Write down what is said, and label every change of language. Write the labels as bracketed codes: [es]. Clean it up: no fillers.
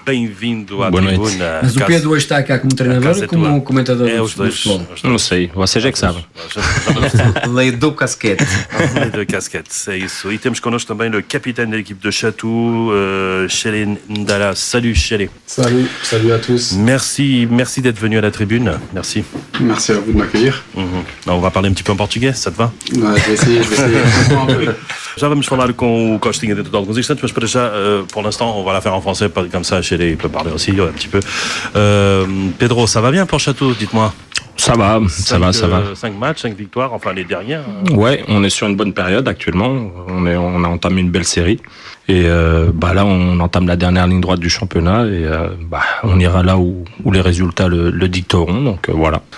[pt] Bem-vindo à Boa tribuna. Noite. Mas o Pedro hoje está cá como treinador ou como comentador de futebol? Os dois. Não sei, vocês é que sabem. Lei do casquete. Lei do casquete, é isso. E temos connosco também o capitão da equipe do Chatu, Xerén Ndara. [fr] Salut, Xerén. Salut à tous. Merci d'être venu à la tribune. Merci. Merci à vous de m'accueillir. Mm-hmm. On va parler un petit peu en portugais, ça te va? Je vais essayer. [pt] Já vamos falar com o Costinha dentro de alguns instantes, mas para já. [fr] Pour l'instant, on va la faire en français, comme ça, Chéré peut parler aussi un petit peu. Pedro, ça va bien pour Chatou, dites-moi. Ça va. 5 matchs, 5 victoires, enfin les dernières. Ouais, on est sur une bonne période actuellement. On a entamé une belle série. Et là, on entame la dernière ligne droite du championnat. Et on ira là où les résultats le dicteront. Donc voilà.